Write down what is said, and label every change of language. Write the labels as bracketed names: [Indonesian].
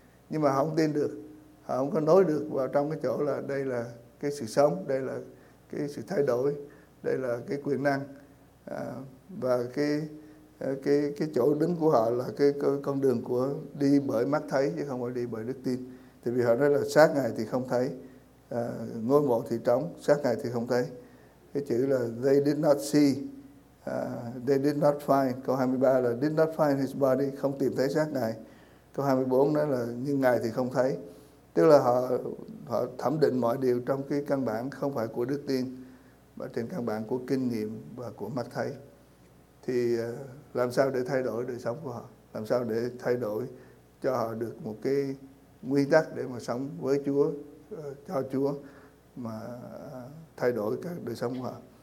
[Vietnamese] Nhưng mà họ không tin được, họ không có nối được vào trong cái chỗ là đây là cái sự sống, đây là cái sự thay đổi, đây là cái quyền năng. Và cái chỗ đứng của họ là cái con đường của đi bởi mắt thấy chứ không phải đi bởi đức tin. Thì vì họ nói là xác ngài thì không thấy, ngôi mộ thì trống, xác ngài thì không thấy. Cái chữ là [English] they did not see, they did not find. [Vietnamese] Câu 23 là [English] did not find his body, [Vietnamese] không tìm thấy xác ngài. Câu 24 nói là nhưng ngài thì không thấy. Tức là họ thẩm định mọi điều trong cái căn bản không phải của đức tin, mà trên căn bản của kinh nghiệm và của mắt thấy. Thì làm sao để thay đổi đời sống của họ? Làm sao để thay đổi cho họ được một cái nguyên tắc để mà sống với Chúa, cho Chúa mà thay đổi các đời sống của họ?